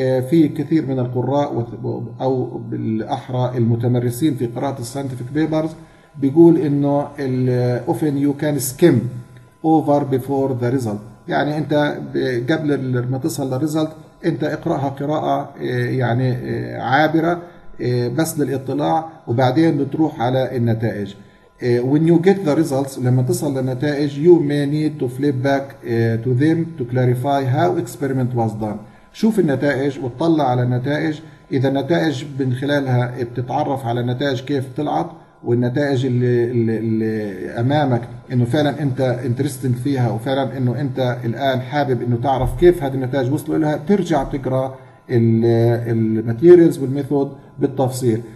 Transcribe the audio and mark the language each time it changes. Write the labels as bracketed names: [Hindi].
[Arabic] في كثير من القراء أو بالأحرى المتمرسين في قراءة scientific papers بيقول إنه [English] often you can skim over before the result، [Arabic] يعني انت قبل ما تصل للريزلت انت اقراها قراءه يعني عابره بس للاطلاع وبعدين بتروح على النتائج. [English] When you get the results، [Arabic] لما تصل للنتائج [English] you may need to flip back to them to clarify how experiment was done. [Arabic] شوف النتائج وتطلع على النتائج، اذا النتائج من خلالها بتتعرف على النتائج كيف طلعت والنتائج اللي امامك انه فعلا انت انترستنج فيها وفعلا انه انت الان حابب انه تعرف كيف هذه النتائج وصلوا لها، ترجع تقرا الماتيريالز والميثود بالتفصيل.